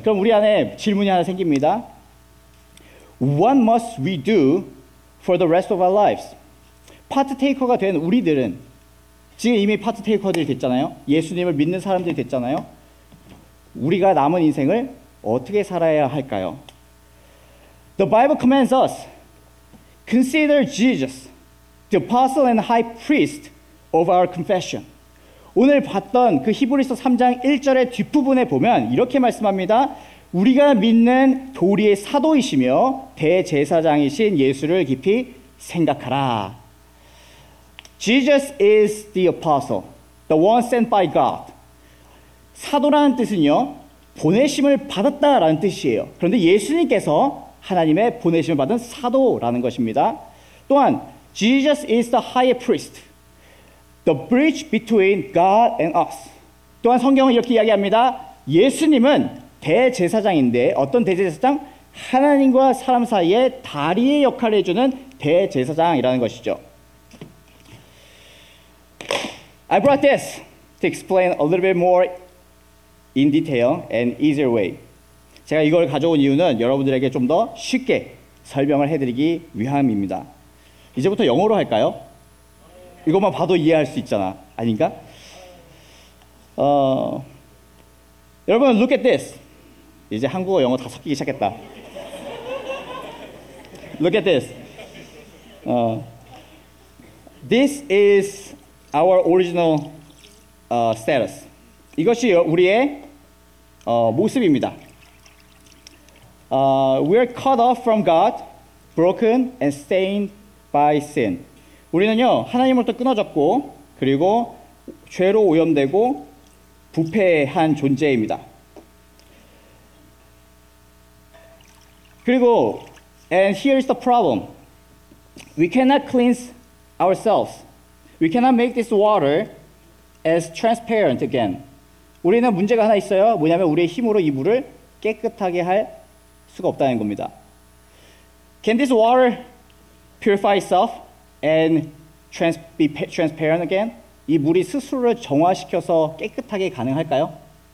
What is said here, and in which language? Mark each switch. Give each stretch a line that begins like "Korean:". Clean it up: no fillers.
Korean: 그럼 우리 안에 질문이 하나 생깁니다.
English: What must we do for the rest of our lives?
Korean: 파트테이커가 된 우리들은 지금 이미 파트테이커들이 됐잖아요. 예수님을 믿는 사람들이 됐잖아요. 우리가 남은 인생을 어떻게 살아야 할까요?
English: The Bible commands us, consider Jesus, the apostle and high priest of our confession.
Korean: 오늘 봤던 그 히브리서 3장 1절의 뒷부분에 보면 이렇게 말씀합니다. 우리가 믿는 도리의 사도이시며 대제사장이신 예수를 깊이 생각하라.
English: Jesus is the apostle, the one sent by God.
Korean: 사도라는 뜻은요, 보내심을 받았다라는 뜻이에요. 그런데 예수님께서 하나님의 보내심을 받은 사도라는 것입니다. 또한
English: Jesus is the high priest. The bridge between God and us.
Korean: 또한 성경은 이렇게 이야기합니다. 예수님은 대제사장인데 어떤 대제사장? 하나님과 사람 사이에 다리의 역할을 해주는 대제사장이라는 것이죠.
English: I brought this to explain a little bit more in detail and easier way.
Korean: 제가 이걸 가져온 이유는 여러분들에게 좀 더 쉽게 설명을 해드리기 위함입니다. 이제부터 영어로 할까요? 이것만 봐도 이해할 수 있잖아. 아닌가? 여러분,
English: look at this.
Korean: 이제 한국어, 영어 다 섞이기 시작했다.
English: Look at this. This is our original status.
Korean: 이것이 우리의 모습입니다.
English: We are cut off from God, broken and stained by sin.
Korean: 우리는요, 하나님으로부터 끊어졌고 그리고 죄로 오염되고 부패한 존재입니다. 그리고
English: and here is the problem. We cannot cleanse ourselves. We cannot make this water as transparent again.
Korean: 우리는 문제가 하나 있어요. 뭐냐면 우리의 힘으로 이 물을 깨끗하게 할 수가 없다는 겁니다.
English: Can this water purify itself and be transparent again?
Korean: 이 물이 스스로를 정화시켜서 깨끗하게 가능할까요?